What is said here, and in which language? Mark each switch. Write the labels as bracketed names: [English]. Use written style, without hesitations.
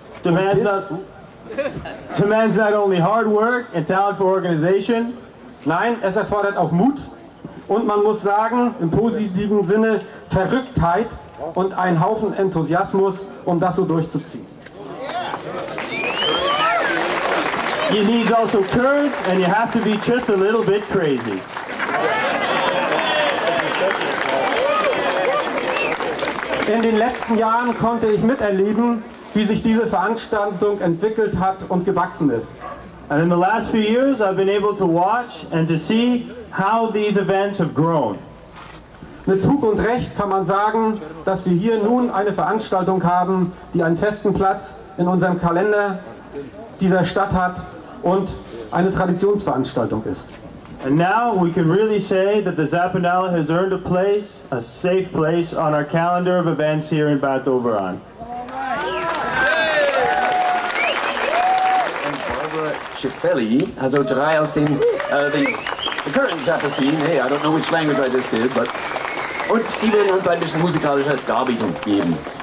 [English] demands not only hard work and talent for organization. [German] Nein, es erfordert auch Mut und man muss sagen, im positiven Sinne, Verrücktheit und ein Haufen Enthusiasmus, um das so durchzuziehen. [English] You need also courage and you have to be just a little bit crazy. [German] In den letzten Jahren konnte ich miterleben, wie sich diese Veranstaltung entwickelt hat und gewachsen ist. [English] And in the last few years I've been able to watch and to see how these events have grown. [German] Mit Fug und Recht kann man sagen, dass wir hier nun eine Veranstaltung haben, die einen festen Platz in unserem Kalender dieser Stadt hat und eine Traditionsveranstaltung ist. [English] And now we can really say that the Zappanale has earned a place, a safe place, on our calendar of events here in Bad Doberan. And Barbara Cifelli, [German] also drei aus dem [English] the current Zappa scene, hey, I don't know which language I just did, but... [German] Und die werden uns ein bisschen musikalische Darbietung geben.